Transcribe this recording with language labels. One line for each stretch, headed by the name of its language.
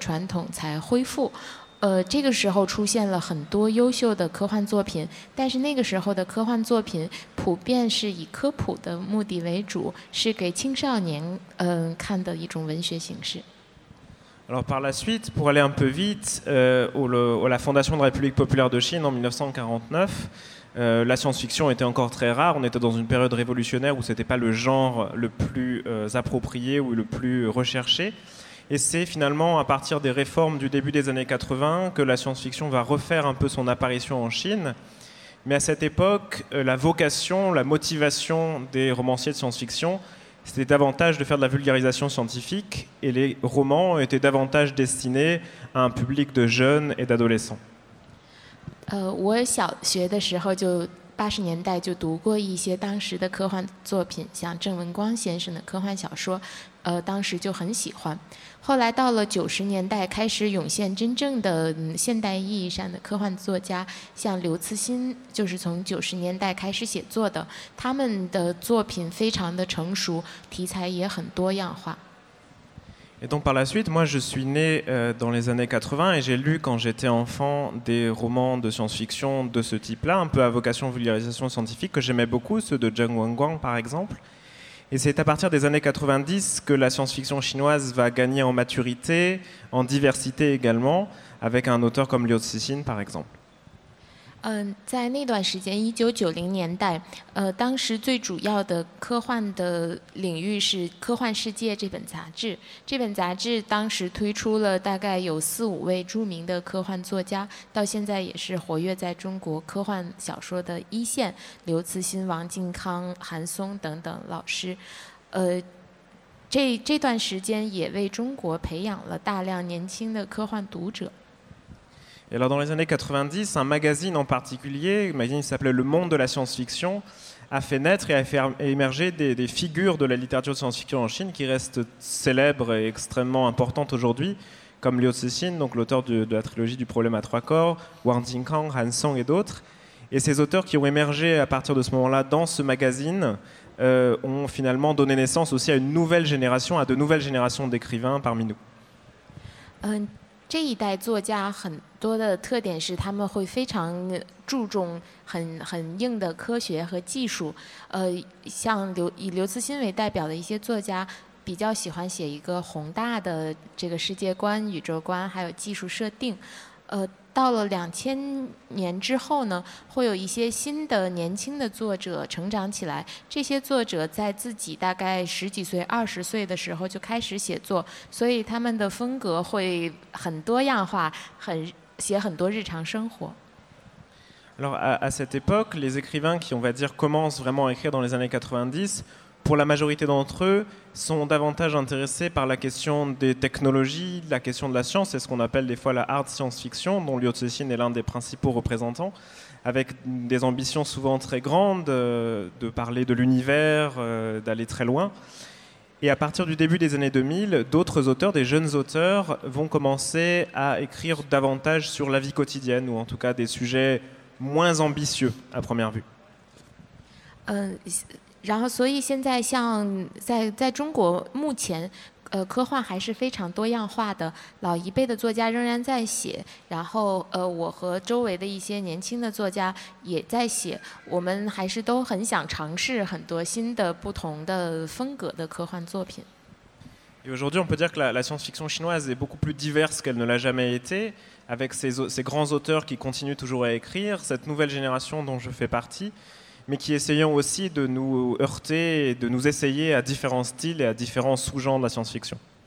English: After the war,
Chinese: 这个时候出现了很多优秀的科幻作品，但是那个时候的科幻作品普遍是以科普的目的为主，是给青少年看的一种文学形式。
French: Alors par la suite, pour aller un peu vite, à la fondation de la République populaire de Chine en 1949, la science-fiction était encore très rare. On était dans une période révolutionnaire où c'était pas le genre le plus approprié ou le plus recherché. Et c'est finalement à partir des réformes du début des années 80 que la science-fiction va refaire un peu son apparition en Chine. Mais à cette époque, la vocation, la motivation des romanciers de science-fiction, c'était davantage de faire de la vulgarisation scientifique, et les romans étaient davantage destinés à un public de jeunes et d'adolescents.
Chinese: 我小学的时候就 80年代就读过一些当时的科幻作品，像郑文光先生的科幻小说，当时就很喜欢。后来到了90年代，开始涌现真正的现代意义上的科幻作家，像刘慈欣，就是从90年代开始写作的，他们的作品非常的成熟，题材也很多样化。
French: Et donc par la suite, moi je suis né dans les années 80 et j'ai lu quand j'étais enfant des romans de science-fiction de ce type-là, un peu à vocation vulgarisation scientifique, que j'aimais beaucoup, ceux de Zheng Wenguang par exemple. Et c'est à partir des années 90 que la science-fiction chinoise va gagner en maturité, en diversité également, avec un auteur comme Liu Cixin par exemple.
Chinese: 在那段时间1990年代，当时最主要的科幻的领域是科幻世界这本杂志，这本杂志当时推出了大概有4-5位著名的科幻作家，到现在也是活跃在中国科幻小说的一线，刘慈欣、王靖康、韩松等等老师，这段时间也为中国培养了大量年轻的科幻读者。
French: Et alors dans les années 90, un magazine en particulier, un magazine qui s'appelait Le Monde de la Science-Fiction, a fait naître et a fait émerger des figures de la littérature de science-fiction en Chine qui restent célèbres et extrêmement importantes aujourd'hui, comme Liu Cixin, donc l'auteur de la trilogie du problème à trois corps, Wang Jingkang, Han Song et d'autres. Et ces auteurs qui ont émergé à partir de ce moment-là dans ce magazine ont finalement donné naissance aussi à une nouvelle génération, à de nouvelles générations d'écrivains parmi nous.
Chinese: 这一代作家很多的特点是他们会非常注重 很硬的科学和技术，像以刘慈欣为代表的一些作家比较喜欢写一个宏大的这个世界观、宇宙观还有技术设定，到了2000年之后呢，会有一些新的年轻的作者成长起来。这些作者在自己大概10几岁、20岁的时候就开始写作，所以他们的风格会很多样化，写很多日常生活。
French: Alors à cette époque, les écrivains qui on va dire commencent vraiment à écrire dans les années 90, pour la majorité d'entre eux, sont davantage intéressés par la question des technologies, la question de la science, c'est ce qu'on appelle des fois la hard science-fiction, dont Liu Cixin est l'un des principaux représentants, avec des ambitions souvent très grandes, de parler de l'univers, d'aller très loin. Et à partir du début des années 2000, d'autres auteurs, des jeunes auteurs, vont commencer à écrire davantage sur la vie quotidienne, ou en tout cas des sujets moins ambitieux, à première vue.
Chinese: 然后所以现在像 在中国目前科幻还是非常多样化的，老一辈的作家仍然在写，然后我和周围的一些年轻的作家也在写，我们还是都很想尝试很多新的不同的风格的科幻作品。
French: Et aujourd'hui, on peut dire que la science-fiction chinoise est beaucoup plus diverse qu'elle ne l'a jamais été, avec ces grands auteurs qui continuent toujours à écrire, cette nouvelle génération dont je fais partie. Mais qui essayons aussi de nous heurter et de nous essayer à différents styles et à différents sous-genres de la science-fiction.